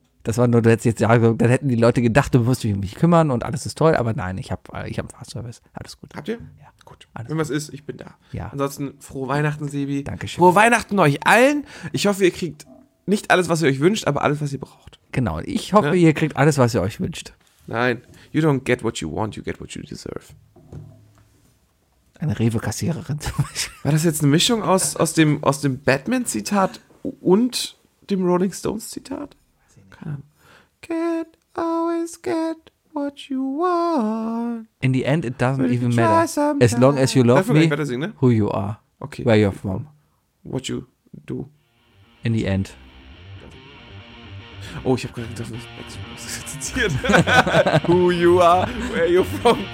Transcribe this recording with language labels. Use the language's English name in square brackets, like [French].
[German] Das war nur, du hättest jetzt, ja, dann hätten die Leute gedacht, du musst dich um mich kümmern und alles ist toll, aber nein, ich hab einen Fahrservice, alles gut. Habt ihr? Ja. Gut, alles wenn was gut. ist, ich bin da. Ja. Ansonsten, frohe Weihnachten, Sebi. Dankeschön. Frohe Weihnachten euch allen. Ich hoffe, ihr kriegt nicht alles, was ihr euch wünscht, aber alles, was ihr braucht. Genau, ich hoffe, ja? ihr kriegt alles, was ihr euch wünscht. [English] Nein, you don't get what you want, you get what you deserve. [German] Eine Rewe-Kassiererin zum Beispiel. War das jetzt eine Mischung aus dem Batman-Zitat und dem Rolling Stones-Zitat? [English] Can't always get what you want. In the end, it doesn't even matter. As long as you love me, [German] singen, ne? [English] who you are, okay. where you're from. What you do. In the end. [German] Oh, ich hab gerade gedacht, was ist zitiert? [English] Who you are, where you're from.